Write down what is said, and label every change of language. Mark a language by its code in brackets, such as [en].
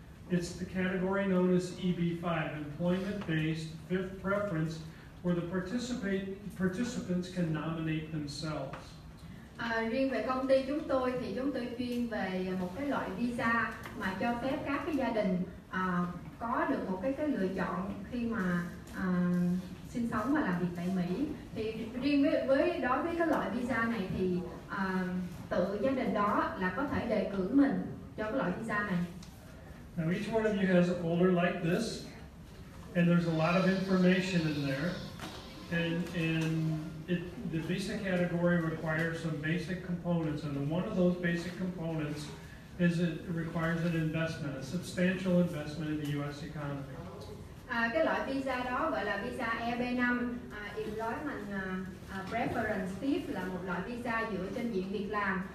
[en] It's the category known as EB-5, employment-based fifth preference, where the participants can nominate themselves. [vi] Riêng về công ty chúng tôi thì chúng tôi chuyên về một cái loại visa mà cho phép các cái gia đình có được một cái lựa chọn khi mà sinh sống và làm việc tại Mỹ. Thì riêng với đối với cái loại visa này thì tự gia đình đó là có thể đề cử mình cho cái loại visa này. [en] Now each one of you has a folder like this, and there's a lot of information in there, and the visa category requires some basic components, and one of those basic components is it requires an investment, a substantial investment in the U.S. economy. [vi] Cái loại visa đó gọi là visa EB-5, Employment Preference Fifth là một loại visa dựa trên diện việc làm.